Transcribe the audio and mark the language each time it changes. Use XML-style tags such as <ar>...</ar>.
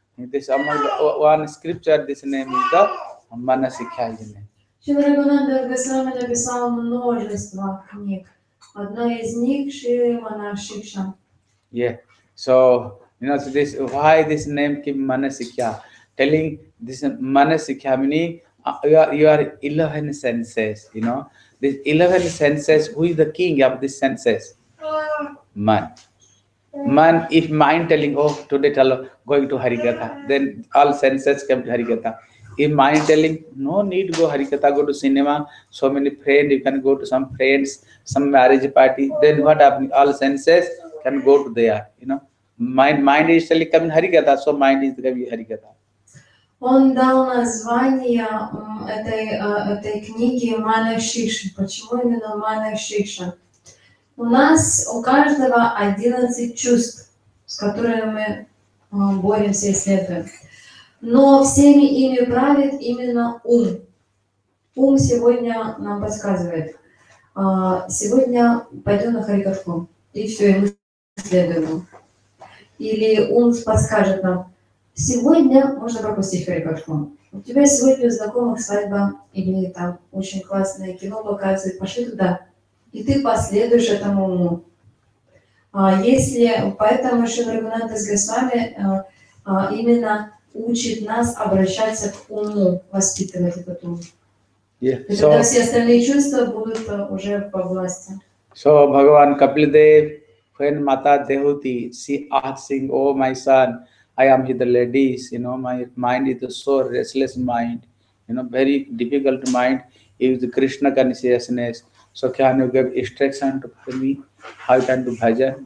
<en>This among one scripture, this name is the Manasikha. Shri</en> <ru>Raghunath Das Goswami написал множество книг. Одна из них Шриманасикша.</ru> <en>Yeah. So you know, so this why this name ki Manasikha? Telling this Manasikha meaning you are 11 senses. You know, this 11 senses. Who is the king of these senses? Man, if mind telling, oh, today tell going to Harikatha, then all senses come to Harikatha. If mind telling, no need to go Harikatha, go to cinema, so many friends, you can go to some friends, some marriage party, then what happened? All senses can go to there, you know. Mind is telling, come to Harikatha, so mind is going to Harikatha.</en> <ru>Он дал название этой книги Манашикша. Почему именно Манашикша? У нас у каждого 11 чувств, с которыми мы боремся и следуем. Но всеми ими правит именно ум. Ум сегодня нам подсказывает. Сегодня пойду на харикатху. И все, и мы следуем. Или ум подскажет нам. Сегодня можно пропустить харикатху. У тебя сегодня у знакомых свадьба или там очень классное кино показывает. Пошли туда. И ты последуешь этому уму. Если поэтому Шри Рагунанда с Госвами именно учит нас обращаться к уму, воспитывать этот ум.</ru> <en>Yeah.</en> <ru>И тогда все остальные чувства будут уже по власти.</ru> <en>So, Bhagavan Kapiladev, when Mata Dehuti, she asking, oh my son, I am with the ladies, you know, my mind is so restless mind, you know, very difficult mind, is the Krishna consciousness. So can you give instruction to me, how you can do bhajan?</en>